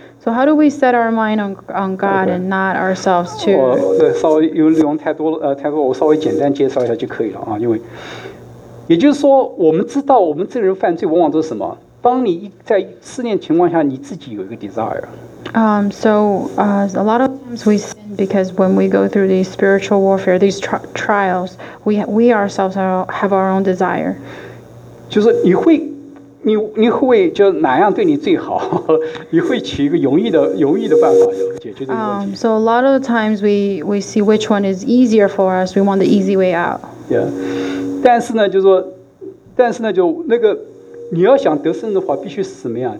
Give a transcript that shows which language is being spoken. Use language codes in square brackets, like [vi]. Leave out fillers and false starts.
[en] ？So how do we set our mind on God and not ourselves too？ [zh] 我稍微有内容太多，我稍微简单介绍一下就可以了啊。因为也就是说，我们知道我们这个人犯罪往往都是什么？当你在思念情况下，你自己有一个 [en] desire。 So a lot of times we sin because when we go through these spiritual warfare, these trials, we ourselves have our own desire. [zh] 就是你会就哪样对你最好？你会取一个容易的办法解决这个问题。 [en] So a lot of the times we see which one is easier for us. We want the easy way out. Yeah. [zh] 但是呢，就那个你要想得胜的话，必须是什么样？